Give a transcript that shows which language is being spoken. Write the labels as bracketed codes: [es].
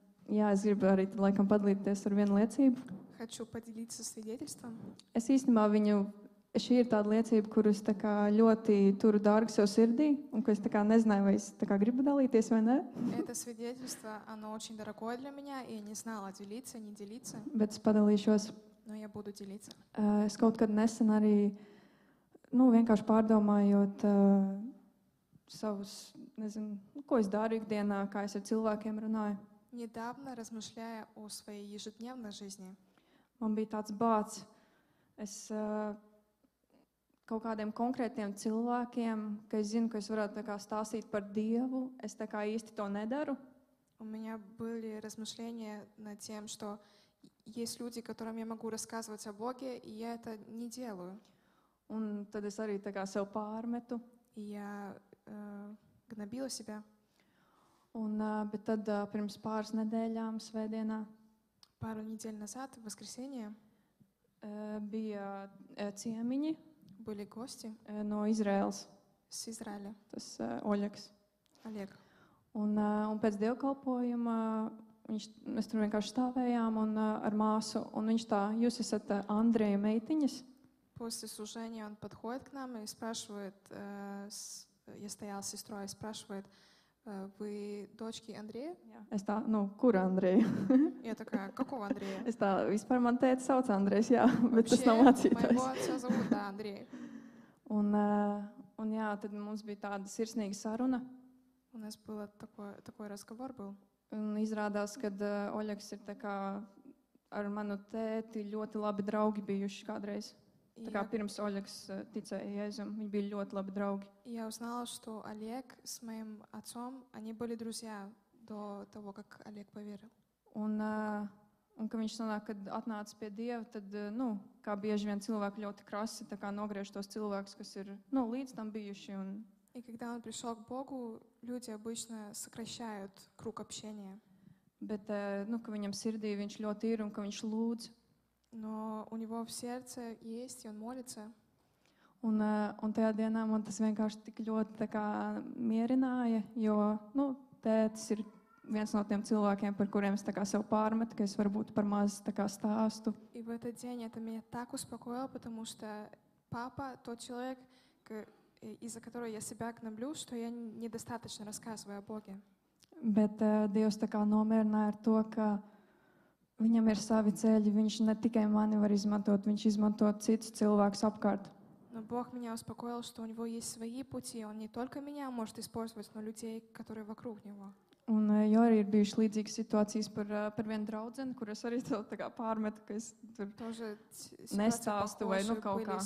[lv] Jā, es gribu arī laikam padalīties ar vienu liecību. [ru] Haču padalīt su svidietelstvam. [lv] Es īstenībā viņu... Šī ir tāda liecība, kuru es tā kā ļoti turu dārgu savu sirdī, un ko es tā kā nezināju, vai es tā kā gribu dalīties vai ne. [ru] Это свидетельство, оно очень дорогое для меня, и я не знала, делиться, не делиться. [lv] Bet es padalīšos. [ru] Но я буду делиться. [lv] Es kaut kad nesen arī, nu, vienkārši pārdomājot savus, nezinu, ko es daru ikdienā, kā es ar cilvēkiem runāju. [ru] Недавно размышляя о своей ежедневной жизни. [lv] Man bija tāds bāds. Es kaut kādiem konkrētiem cilvēkiem, ka es zinu, ka es varētu tā kā stāstīt par Dievu, es tā kā īsti to nedaru. [ru] У меня были размышления над тем, что есть люди, которым я могу рассказывать о Боге, и я это не делаю. [lv] Un tad es arī tā kā sev pārmetu. [ru] Я гнобила себя. [lv] Un bet tad pirms pāris nedēļām svētdienā. [ru] Пару недель назад, в воскресенье. [lv] Bija ciemiņi. [ru] Были гости. [lv] No Izraels. [ru] С Израиля. [lv] Tas Oļegs. [ru] Oleg. [lv] Un pēc dievkalpojuma, mēs tur vienkārši stāvējām un ar māsu, un viņš tā, jūs esat Andreja meitiņas. [ru] После служения он подходит к нам и спрашивает, я стояла с сестрой, спрашивает, вы дочки Андрея? [lv] Es tā, nu, kur Andreja? [ru] Я такая, какого Андрея? [lv] Es tā, vispār man tēti sauc Andrejs, jā, bet tas nav mācītājs. [ru] Vообще, моего отца зовут, да, Андрей. [lv] Un jā, tad mums bija tāda sirsnīga saruna. [ru] У нас был такой разговор был. [lv] Un izrādās, kad Oļegs ir tā kā ar manu tēti ļoti labi draugi bijuši kādreiz. Tā kā pirms Oļegs ticēja Jēzum, viņi bija ļoti labi draugi. [ru] Я узнала, что Олег с моим отцом, они были друзья до того, как Олег поверил. [lv] Un ka viņš sanāk, kad atnāca pie Dieva, tad, nu, kā bieži vien cilvēki ļoti krasi, tā kā nogriež tos cilvēkus, kas ir, nu, līdz tam bijuši. Un... [ru] И когда он пришел к Богу, люди обычно сокращают круг общения. [lv] Bet, nu, ka viņam sirdī viņš ļoti ir un ka viņš lūdz. [ru] Но у него в сердце есть, и он молится. [lv] Un tajā dienā man tas vienkārši tik ļoti tā kā mierināja, jo, nu, tētis ir viens no tiem cilvēkiem, par kuriem es tā kā sev pārmetu, ka es varbūt par maz tā kā stāstu. [ru] И в этот день это меня так успокоило, потому что папа тот человек, из-за которого я себя гноблю, что я недостаточно рассказываю о Боге. [lv] Bet Dievs tā kā nomierināja ar to, ka viņam ir savi ceļi, viņš ne tikai mani var izmantot, viņš izmanto citus cilvēkus apkārt. [ru] Но Бог меня успокоил, что у него есть свои пути, он не только меня может использовать, но людей, которые вокруг него. [lv] Un jo arī ir bijušas līdzīgas situācijas par vienu draudzeni, kur es arī tā kā pārmetu, ka es tur nestāstu vai nu kaut kā.